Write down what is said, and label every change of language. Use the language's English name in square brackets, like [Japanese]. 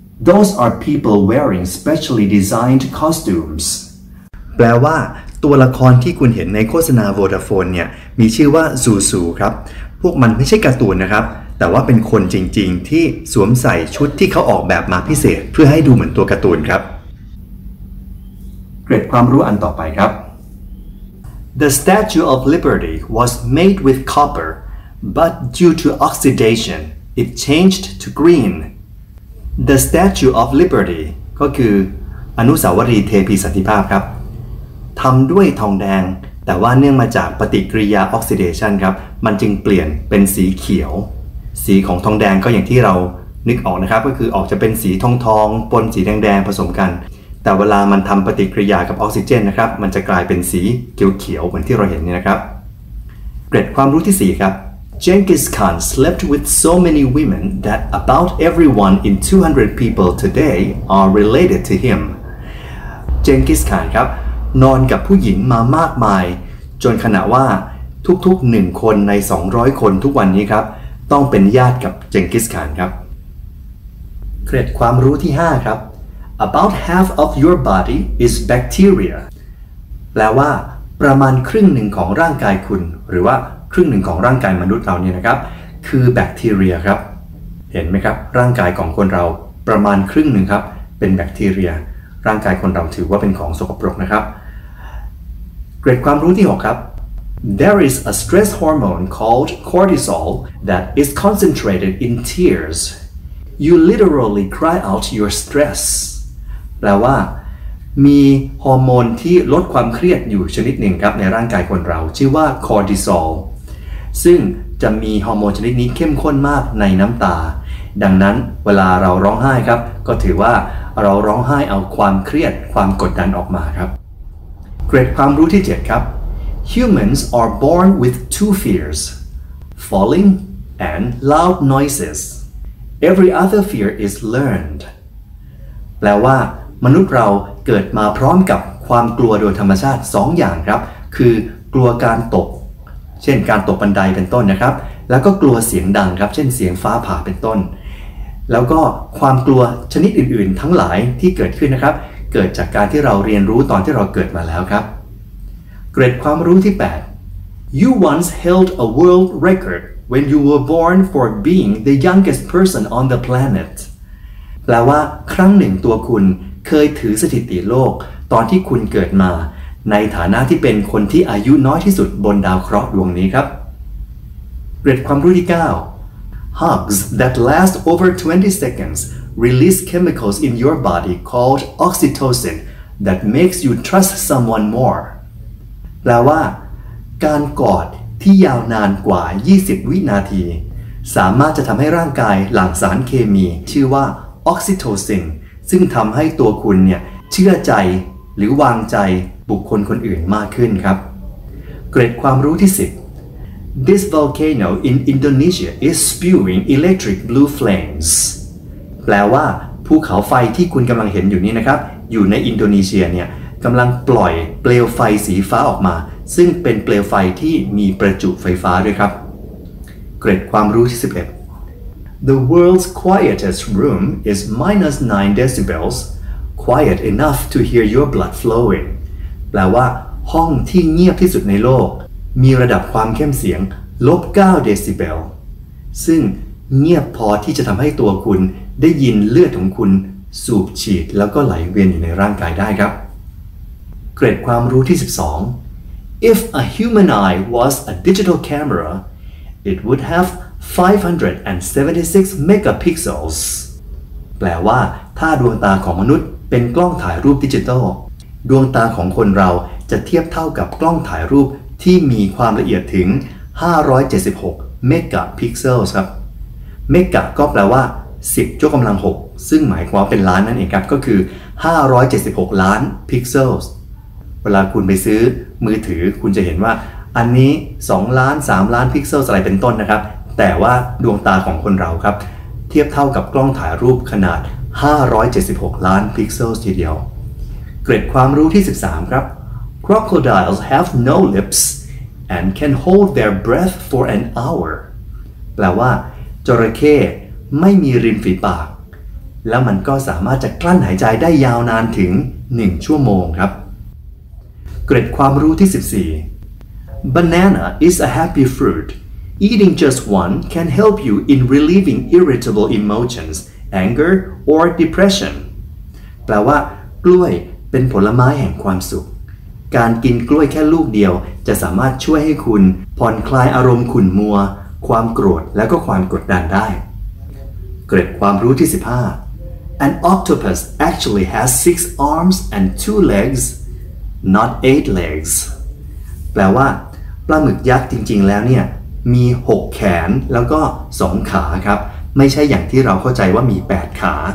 [English] Those are people wearing specially designed costumes [Thai] แปลว่าตัวละครที่คุณเห็นในโฆษณา Vodafone เนี่ยมีชื่อว่าซูซูครับพวกมันไม่ใช่การ์ตูนนะครับแต่ว่าเป็นคนจริงๆที่สวมใส่ชุดที่เขาออกแบบมาพิเศษเพื่อให้ดูเหมือนตัวการ์ตูนครับ เกร็ดความรู้อันต่อไปครับ [English] The Statue of Liberty was made with copper, but due to oxidation, it changed to green. The Statue of Liberty [Thai] ก็คืออนุสาวรีย์เทพีสันติภาพครับทำด้วยทองแดงแต่ว่าเนื่องมาจากปฏิกิริยาออกซิเดชันครับมันจึงเปลี่ยนเป็นสีเขียวสีของทองแดงก็อย่างที่เรานึกออกนะครับก็คือออกจะเป็นสีทองๆปนสีแดงๆผสมกันแต่เวลามันทำปฏิกิริยากับออกซิเจนนะครับมันจะกลายเป็นสีเขียวๆเหมือนที่เราเห็นนี่นะครับเกร็ดความรู้ที่4ครับ [English] Genghis Khan slept with so many women that about everyone in 200 people today are related to him [Thai] Genghis Khan ครับนอนกับผู้หญิงมามากมายจนขณะว่าทุกๆ1คนใน200คนทุกวันนี้ครับต้องเป็นญาติกับเจงกิสข่านครับเกร็ดความรู้ที่5ครับ [English] About half of your body is bacteria [Thai] แปลว่าประมาณครึ่งหนึ่งของร่างกายคุณหรือว่าครึ่งหนึ่งของร่างกายมนุษย์เราเนี่ยนะครับคือแบคทีเรียครับเห็นไหมครับร่างกายของคนเราประมาณครึ่งหนึ่งครับเป็นแบคทีเรียร่างกายคนเราถือว่าเป็นของสกปรกนะครับเกร็ดความรู้ที่6ครับ [English] There is a stress hormone called cortisol that is concentrated in tears. You literally cry out your stress. [Thai] แปลว่ามีฮอร์โมนที่ลดความเครียดอยู่ชนิดหนึ่งครับในร่างกายคนเราชื่อว่าคอร์ติซอลซึ่งจะมีฮอร์โมนชนิดนี้เข้มข้นมากในน้ำตาดังนั้นเวลาเราร้องไห้ครับก็ถือว่าเราร้องไห้เอาความเครียดความกดดันออกมาครับ เกรดความรู้ที่7ครับ [English] Humans are born with two fears falling and loud noises every other fear is learned [Thai] แปลว่ามนุษย์เราเกิดมาพร้อมกับความกลัวโดยธรรมชาติ2 อย่างครับคือกลัวการตกเช่นการตกบันไดเป็นต้นนะครับแล้วก็กลัวเสียงดังครับเช่นเสียงฟ้าผ่าเป็นต้นแล้วก็ความกลัวชนิดอื่นๆทั้งหลายที่เกิดขึ้นนะครับเกิดจากการที่เราเรียนรู้ตอนที่เราเกิดมาแล้วครับ เกรดความรู้ที่8 [English] You once held a world record when you were born for being the youngest person on the planet [Thai] แปลว่าครั้งหนึ่งตัวคุณเคยถือสถิติโลกตอนที่คุณเกิดมาในฐานะที่เป็นคนที่อายุน้อยที่สุดบนดาวเคราะห์ดวงนี้ครับ เกร็ดความรู้ที่9 [English] Hugs that last over 20 seconds release chemicals in your body called oxytocin that makes you trust someone more [Thai] แปลว่าการกอดที่ยาวนานกว่า20วินาทีสามารถจะทำให้ร่างกายหลั่งสารเคมีชื่อว่าออกซิโทซินซึ่งทำให้ตัวคุณเนี่ยเชื่อใจหรือวางใจบุคคลคนอื่นมากขึ้นครับ เกร็ดความรู้ที่10 [English] This volcano in Indonesia is spewing electric blue flames [Thai] แปลว่าภูเขาไฟที่คุณกำลังเห็นอยู่นี่นะครับอยู่ในอินโดนีเซียเนี่ยกำลังปล่อยเปลวไฟสีฟ้าออกมาซึ่งเป็นเปลวไฟที่มีประจุไฟฟ้าด้วยครับ เกร็ดความรู้ที่11 [English] The world's quietest room is minus 9 decibels quiet enough to hear your blood flowing [Thai] แปลว่าห้องที่เงียบที่สุดในโลกมีระดับความเข้มเสียงลบ9เดซิเบลซึ่งเงียบพอที่จะทำให้ตัวคุณได้ยินเลือดของคุณสูบฉีดแล้วก็ไหลเวียนอยู่ในร่างกายได้ครับ เกร็ดความรู้ที่12 [English] If a human eye was a digital camera, it would have 576 megapixels. [Thai] แปลว่าถ้าดวงตาของมนุษย์เป็นกล้องถ่ายรูปดิจิตอลดวงตาของคนเราจะเทียบเท่ากับกล้องถ่ายรูปที่มีความละเอียดถึง 576 megapixels ครับเมกะก็แปลว่า10ยกกำลัง6ซึ่งหมายความเป็นล้านนั่นเองครับก็คือ576ล้านพิกเซลเวลาคุณไปซื้อมือถือคุณจะเห็นว่าอันนี้2ล้าน3ล้านพิกเซลอะไรเป็นต้นนะครับแต่ว่าดวงตาของคนเราครับเทียบเท่ากับกล้องถ่ายรูปขนาด576ล้านพิกเซลทีเดียว เกร็ดความรู้ที่13ครับ [English] Crocodiles have no lips and can hold their breath for an hour [Thai] แปลว่าจระเข้ไม่มีริมฝีปากแล้วมันก็สามารถจะกลั้นหายใจได้ยาวนานถึง1ชั่วโมงครับ เกร็ดความรู้ที่14 [English] Banana is a happy fruit. Eating just one can help you in relieving irritable emotions, anger or depression. [Thai] แปลว่ากล้วยเป็นผลไม้แห่งความสุขการกินกล้วยแค่ลูกเดียวจะสามารถช่วยให้คุณผ่อนคลายอารมณ์ขุ่นมัวความโกรธและก็ความกดดันได้เกร็ดความรู้ที่15 [English] An octopus actually has 6 arms and 2 legs not 8 legs [Thai] แปลว่าปลาหมึกยักษ์จริงๆแล้วเนี่ยมี6แขนแล้วก็2ขาครับไม่ใช่อย่างที่เราเข้าใจว่ามี8ขา